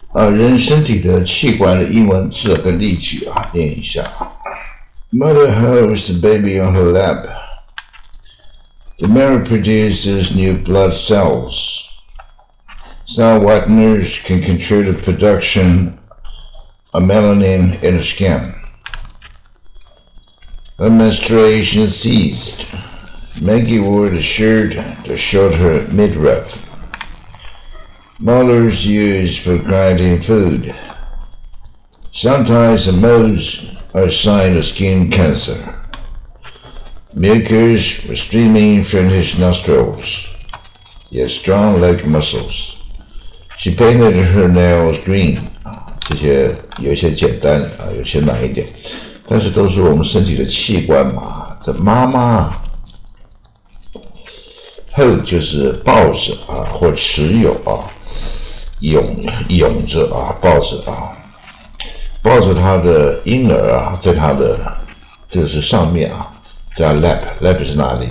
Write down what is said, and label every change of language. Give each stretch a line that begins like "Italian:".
Chinese: 人身体的器官的英文字跟例句啊，念一下。
English: Mother holds the baby on her lap. The mare produces new blood cells. Cell whiteners can contribute to production of melanin in the skin. Her menstruation ceased. Maggie wore the shirt that showed her midriff. Molars used for grinding food. Sometimes the moles are a sign of skin cancer. Mucus was streaming from his nostrils. He had strong leg muscles. She painted her nails green.
Chinese: 这些有些简单，有些难一点，但是都是我们身体的器官嘛。这妈妈，hold 就是抱着啊，或持有啊。拥着啊，抱着啊，抱着他的婴儿啊，在他的这个是上面啊，在 lap 是哪里？